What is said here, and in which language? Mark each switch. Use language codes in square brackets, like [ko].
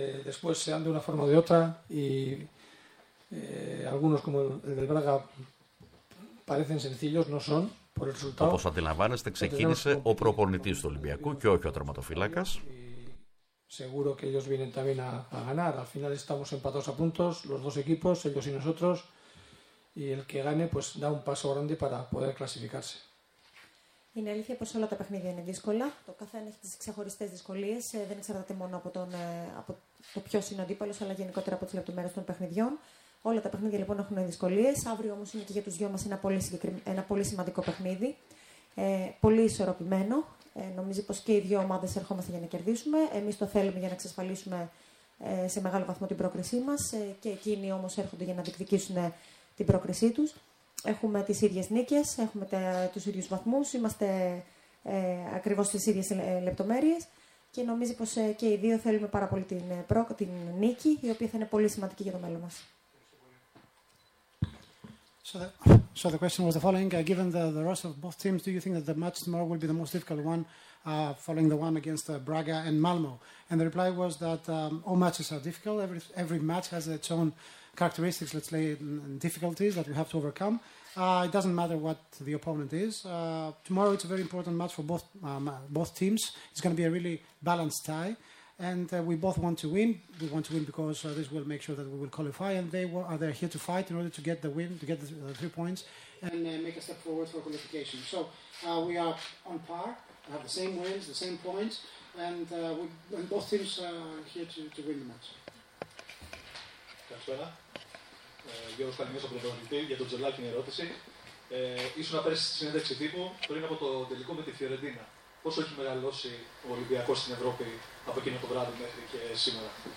[es] Después se dan de una forma o de otra y algunos, como el del Braga, parecen sencillos, no son. [el] Όπως αντιλαμβάνεστε, ξεκίνησε ο προπονητής του Ολυμπιακού και όχι ο τερματοφύλακας. [es] Seguro que ellos vienen también a ganar. Al final estamos empatados a puntos, los dos equipos, ellos y nosotros. Y el que gane, pues da un paso grande para poder clasificarse. [el] Είναι αλήθεια πως όλα τα παιχνίδια είναι δύσκολα. Το καθένα έχει τις ξεχωριστές δυσκολίες. Δεν εξαρτάται μόνο από το ποιος είναι ο αντίπαλος, αλλά γενικότερα από τις λεπτομέρειες των παιχνιδιών. Όλα τα παιχνίδια λοιπόν έχουν δυσκολίες. Αύριο όμως είναι και για τους δυο μας ένα πολύ σημαντικό παιχνίδι. Πολύ ισορροπημένο. Νομίζω πως και οι δύο ομάδες ερχόμαστε για να κερδίσουμε. Εμείς το θέλουμε για να εξασφαλίσουμε σε μεγάλο βαθμό την πρόκρισή μας. Και εκείνοι όμως έρχονται για να διεκδικήσουν την πρόκρισή τους. Έχουμε τις ίδιες νίκες, έχουμε τους ίδιους βαθμούς, είμαστε ακριβώς στις ίδιες λεπτομέρειες. Και νομίζω πως και οι δύο θέλουμε πάρα πολύ την νίκη, η οποία θα είναι πολύ σημαντική για το μέλλον μας. [en] So the question was the following: given the roster of both teams, do you think that the match tomorrow will be the most difficult one, following the one against Braga and Malmo? And the reply was that all matches are difficult. Every match has its own characteristics, let's say, and difficulties that we have to overcome. It doesn't matter what the opponent is. Tomorrow it's a very important match for both teams. It's going to be a really balanced tie. And we both want to win. We want to win because this will make sure that we will qualify. And they are there here to fight in order to get the win, to get the 3 points, and make a step forward for qualification. So we are on par. Have the same wins, the same points, and both teams are here to win the match. [el] Καλησπέρα. Γιώργος Καλημίδης, ο προπονητής, για τον Τζολάκη την ερώτηση. Ήσουν πέρσι στη συνέντευξη τύπου πριν από το τελικό με τη Φιωρεντίνα. Πόσο έχει μεγαλώσει ο Ολυμπιακός στην Ευρώπη από εκείνο το βράδυ μέχρι και σήμερα?